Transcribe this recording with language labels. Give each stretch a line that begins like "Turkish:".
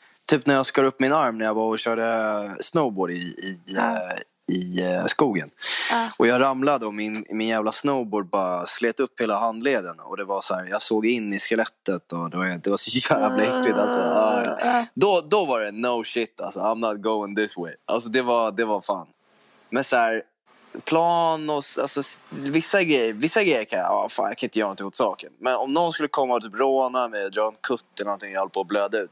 Swedish: Typ när jag skar upp min arm när jag var och körde snowboard i skogen. Och jag ramlade och min jävla snowboard bara slet upp hela handleden. Och det var så här, jag såg in i skelettet och det var så jävla äckligt. Då var det
English: no shit,
Swedish: alltså,
English: I'm not going this way.
Swedish: Alltså det var fan. Men så här, plan och alltså, vissa grejer kan jag, fan, jag kan inte göra något åt saken. Men om någon skulle komma och typ råna mig, dra en kutt eller någonting, jag håller på att blöda ut.